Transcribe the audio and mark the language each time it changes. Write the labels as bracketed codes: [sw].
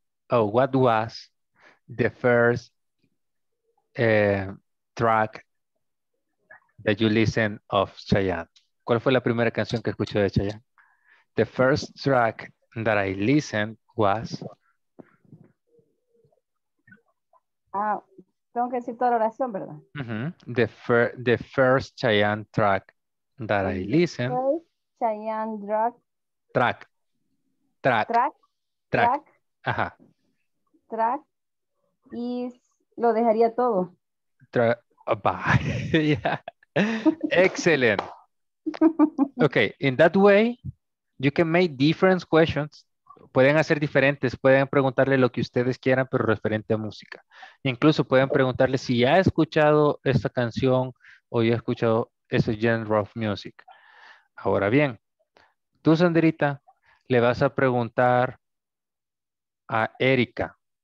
[en] What was the first track that you listen of Chayanne? [es] ¿Cuál fue la primera canción que escuchó de Chayanne? [en] The first track that I listened was. [es] Tengo que decir toda la oración, ¿verdad? [en] Uh-huh. The first Chayanne track that I listened. First Chayanne track. Track. Ajá. [es] Track. Y lo dejaría todo. [en] Yeah. Excellent. Okay, in that way, you can make different questions. [es] Pueden hacer diferentes. Pueden preguntarle lo que ustedes quieran, pero referente a música. Incluso pueden preguntarle si ya ha escuchado esta canción o ya ha escuchado ese [en] genre of music. [es] Ahora bien, tú, Sandrita, le vas a preguntar a Erika.